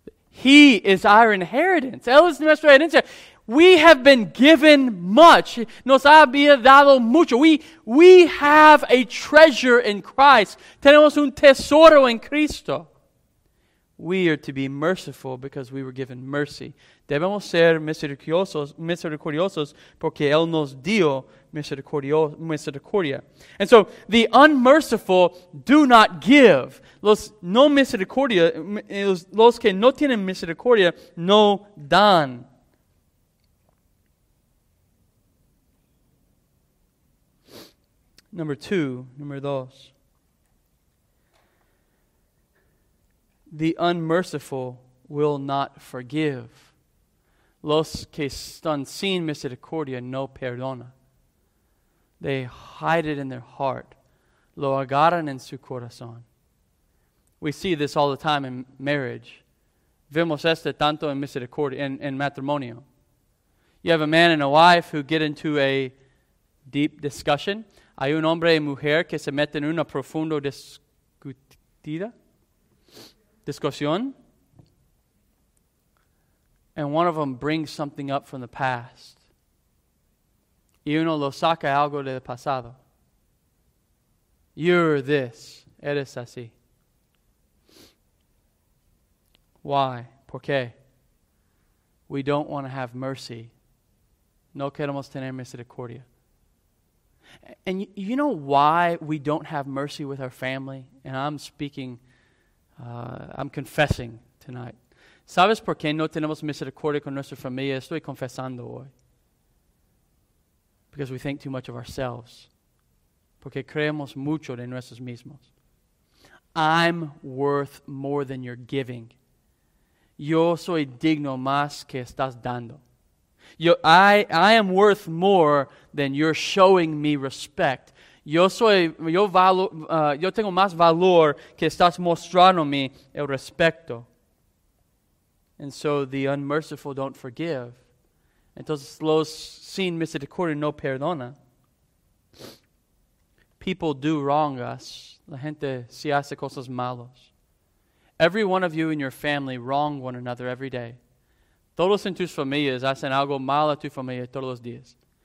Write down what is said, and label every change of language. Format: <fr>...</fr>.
<en>He is our inheritance.</en> <es>Él es nuestra herencia.</es> <en>We have been given much.</en> <es>Nos había dado mucho.</es> <en>We have a treasure in Christ.</en> <es>Tenemos un tesoro en Cristo.</es> <en>We are to be merciful because we were given mercy.</en> <es>Debemos ser misericordiosos porque Él nos dio misericordia.</es> <en>And so, the unmerciful do not give.</en> <es>Los que no tienen misericordia no dan.</es> <en>Number dos. The unmerciful will not forgive.</en> <es>los que están sin misericordia no perdona.</es> <en>They hide it in their heart.</en> <es>Lo agarran en su corazón.</es> <en>We see this all the time in marriage.</en> <es>Vemos esto tanto en misericordia, en matrimonio.</es> <en>You have a man and a wife who get into a deep discussion.</en> <es>Hay un hombre y mujer que se meten en una profunda discusión.</es> <en>And one of them brings something up from the past.</en> <es>Y uno lo saca algo del pasado.</es> <en>You're this.</en> <es>Eres así.</es> <en>Why?</en> <es>¿Por qué?</es> <en>We don't want to have mercy.</en> <es>No queremos tener misericordia.</es> <en>And you know why we don't have mercy with our family? And I'm speaking, I'm confessing tonight.</en> <es>¿Sabes por qué no tenemos misericordia con nuestra familia? Estoy confesando hoy.</es> <en>Because we think too much of ourselves.</en> <es>Porque creemos mucho de nosotros mismos.</es> <en>I'm worth more than you're giving.</en> <es>Yo soy digno más que estás dando.</es> <en>I am worth more than you're showing me respect.</en> <es>Yo tengo más valor que estás mostrándome el respeto.</es> <en>And so the unmerciful don't forgive.</en> <es>Entonces los sin misericordia no perdona.</es> <en>People do wrong us.</en> <es>La gente si hace cosas malos.</es> <en>Every one of you in your family wrong one another every day.</en> <es>Todos en tus familias hacen algo mal a tu familia todos los días.</es>